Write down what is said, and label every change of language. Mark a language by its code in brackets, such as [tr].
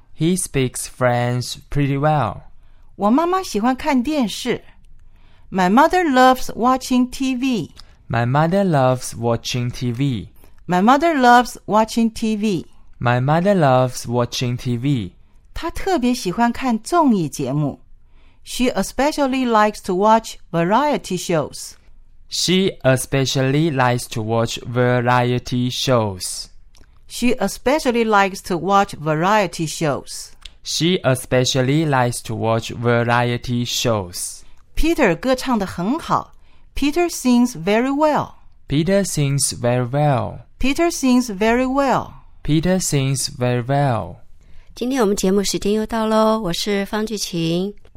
[en] He speaks French pretty well. [zh] 我妈妈喜欢看电视。 [en] My mother loves watching TV. My mother loves watching TV. My mother loves watching TV. My mother loves watching TV. [zh] 她特别喜欢看综艺节目。 [en] She especially likes to watch variety shows. She especially likes to watch variety shows. She especially likes to watch variety shows. She especially likes to watch variety shows. [zh] Peter 歌唱得很好。 [en] Peter sings very well. Peter sings very well. Peter sings very well. Peter sings very well. [zh] 今天我们节目时间又到咯。我是方巨琴。